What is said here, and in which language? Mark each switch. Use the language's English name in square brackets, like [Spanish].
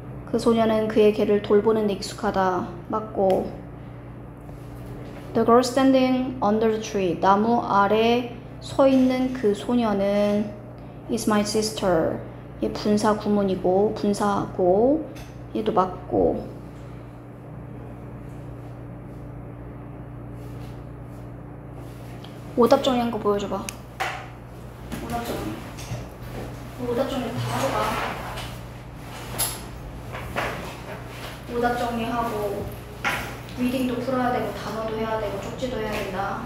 [Korean] 그 소녀는 그의 개를 돌보는 데 익숙하다. 맞고 [English] the girl standing under the tree [Korean] 나무 아래 서 있는 그 소녀는 [English] is my sister. [Korean] 얘 분사 구문이고 분사고 얘도 맞고. 오답 정리한 거 보여줘봐. 오답 정리. 오답 정리 다 하고 오답 정리하고 리딩도 풀어야 되고 단어도 해야 되고 쪽지도 해야 된다.